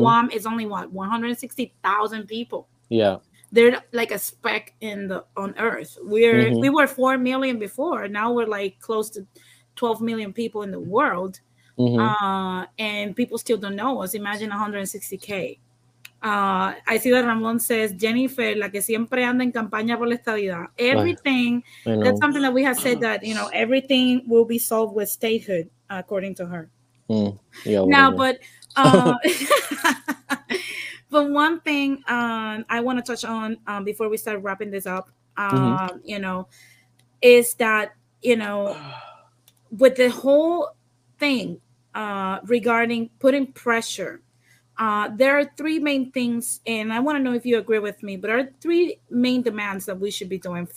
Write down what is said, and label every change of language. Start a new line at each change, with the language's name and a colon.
English: WOM is only what, 160,000 people. Yeah. They're like a speck in the on earth. We're mm-hmm. we were 4 million before. Now we're like close to 12 million people in the world. Mm-hmm. And people still don't know us. Imagine 160K. I see that Ramon says,
Spanish: Jennifer, la que siempre anda en campaña por la estadidad.
English: Everything, that's something that we have said, that, you know, everything will be solved with statehood, according to her. But one thing I want to touch on before we start wrapping this up, you know, is that, you know, with the whole thing, regarding putting pressure, there are three main things, and I want to know if you agree with me, but there are three main demands that we should be doing.